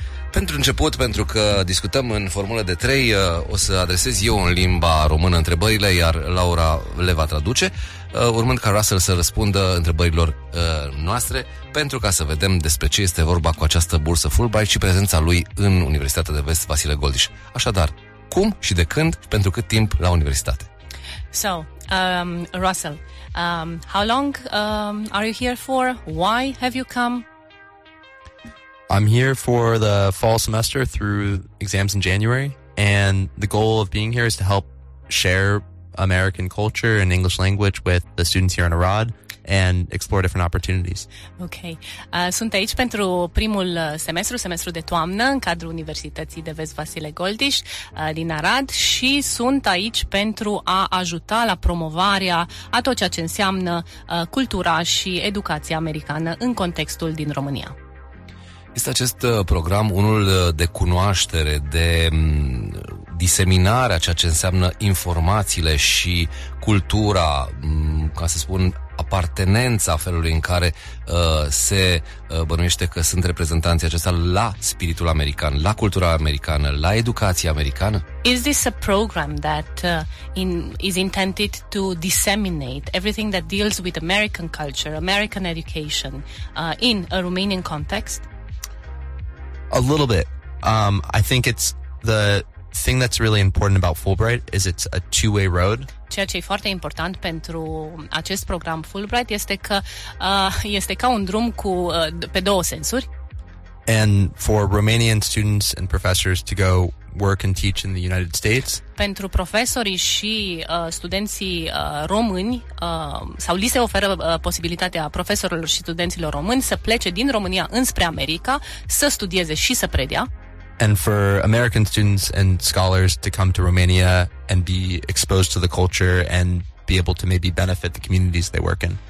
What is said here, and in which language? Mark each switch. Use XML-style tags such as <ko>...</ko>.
<ro>Pentru început, pentru că discutăm în formulă de trei, o să adresez eu în limba română întrebările, iar Laura le va traduce, urmând ca Russell să răspundă întrebărilor noastre, pentru ca să vedem despre ce este vorba cu această bursă Fulbright și prezența lui în Universitatea de Vest Vasile Goldiș. Așadar, cum și de când, pentru cât timp la universitate?</ro> <en>So, Russell, how long are you here for? Why have you come? I'm here for the fall semester through exams in January, and the goal of being here is to help share American culture and English language with the students here in Arad and explore different opportunities. Okay.</en> <ro>Sunt aici pentru primul semestru, semestru de toamnă, în cadrul Universității de Vest Vasile Goldiș din Arad, și sunt aici pentru a ajuta la promovarea a tot ceea ce înseamnă cultura și educația americană în contextul din România. Este acest program unul de cunoaștere, de diseminare a ceea ce înseamnă informațiile și cultura, ca să spun, apartenența felului în care se bănuiește că sunt reprezentanții acesta la spiritul american, la cultura americană, la educația americană?</ro> <en>Is this a program that is intended to disseminate everything that deals with American culture, American education, in a Romanian context? A little bit. I think it's the thing that's really important about Fulbright is it's a two-way road.</en> <ro>Ceea ce e foarte important pentru acest program Fulbright este că este ca un drum cu pe două sensuri.</ro> <en>And for Romanian students and professors to go work and teach in the United States.</en> <ro>Pentru profesorii și studenții români, sau li se oferă posibilitatea profesorilor și studenților români să plece din România înspre America să studieze și să predea.</ro> <en>And for American students and scholars to come to Romania and be exposed to the culture and be able to maybe benefit the communities they work in.</en>